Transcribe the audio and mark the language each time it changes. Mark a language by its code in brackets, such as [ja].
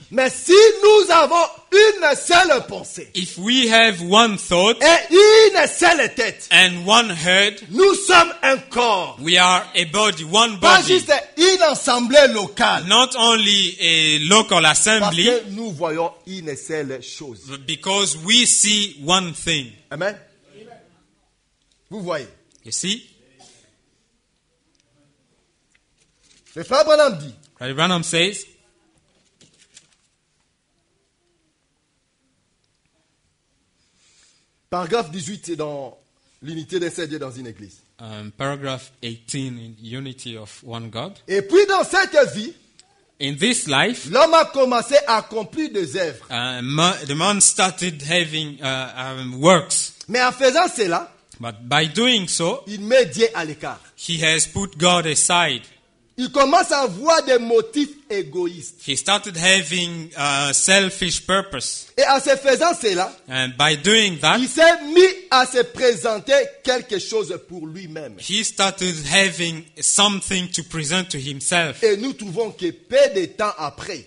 [fr] Mais si nous avons une seule pensée, [en] if we have one thought, [fr] et une seule tête, [en] and one head, [fr] nous sommes un corps. [en] We are a body, one body. [fr] Pas juste une assemblée locale. [en] Not only a local assembly. [fr] Parce que nous voyons une seule chose. [en] Because we see one thing. [fr] Amen. Vous voyez? [en] You see? [fr] Et frère Branham dit, [en] Brother Branham says, [fr] paragraphe 18 c'est dans l'unité d'un seul Dieu dans une église. [en] Paragraph 18 in unity of one God. [fr] Et puis dans cette vie, [en] in this life, [fr] l'homme a commencé à accomplir des œuvres. [en] The man started having works. [fr] Mais en faisant cela, [en] but by doing so, [fr] il met Dieu à l'écart. [en] He has put God aside. [fr] Il commence à avoir des motifs égoïstes. [en] He started having a selfish purpose. [fr] Et en se faisant cela, [en] and by doing that, [fr] il s'est mis à se présenter quelque chose pour lui-même. [en] He started having something to present to himself. [fr] Et nous trouvons que peu de temps après,